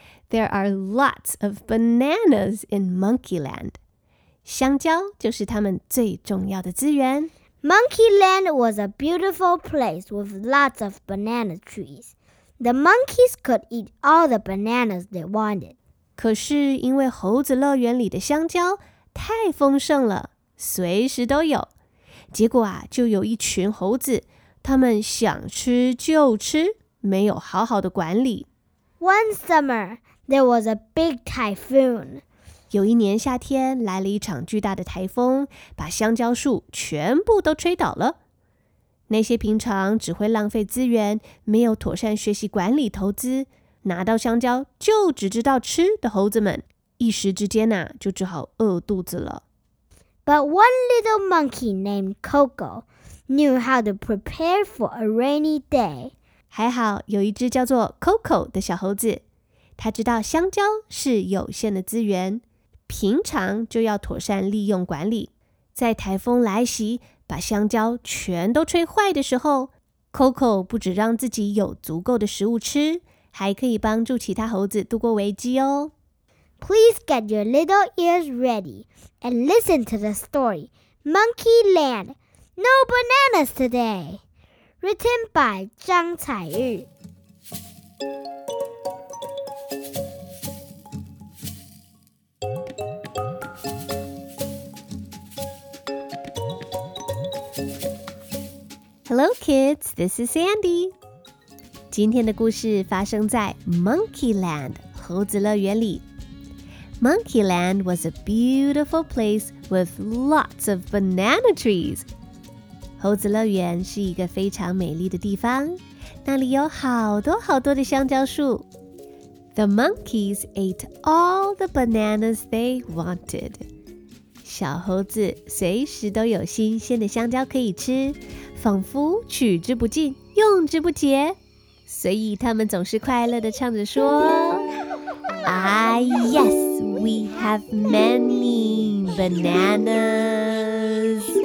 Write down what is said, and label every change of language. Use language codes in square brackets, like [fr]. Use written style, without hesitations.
[en] There are lots of bananas in Monkey Land. [zh] 香蕉就是他们最重要的资源。 [en] Monkey Land was a beautiful place with lots of banana trees. The monkeys could eat all the bananas they wanted. [zh] 可是因为猴子乐园里的香蕉太丰盛了，随时都有。结果啊，就有一群猴子，他们想吃就吃，没有好好的管理。 [en] One summer,There was a big typhoon. [zh] 有一年夏天，来了一场巨大的台风，把香蕉树全部都吹倒了。那些平常只会浪费资源，没有妥善学习管理投资，拿到香蕉就只知道吃的猴子们，一时之间啊，就只好饿肚子了。 [en] But one little monkey named Coco knew how to prepare for a rainy day. [zh] 还好有一只叫做 Coco 的小猴子。他知道香蕉是有限的资源，平常就要妥善利用管理。在台风来袭，把香蕉全都吹坏的时候， Coco 不只让自己有足够的食物吃，还可以帮助其他猴子度过危机哦。 [en] Please get your little ears ready and listen to the story, Monkey Land, No Bananas Today, written by 张彩玉。 Hello, kids. This is Sandy. [zh] 今天的故事发生在 [en] Monkey Land [zh] 猴子乐园里。 [en] Monkey Land was a beautiful place with lots of banana trees. [zh] 猴子乐园是一个非常美丽的地方，那里有好多好多的香蕉树。 [en] The monkeys ate all the bananas they wanted. [zh] 小猴子随时都有新鲜的香蕉可以吃，仿佛取之不尽，用之不竭。所以他们总是快乐地唱着说 [en] Yes, we have many bananas.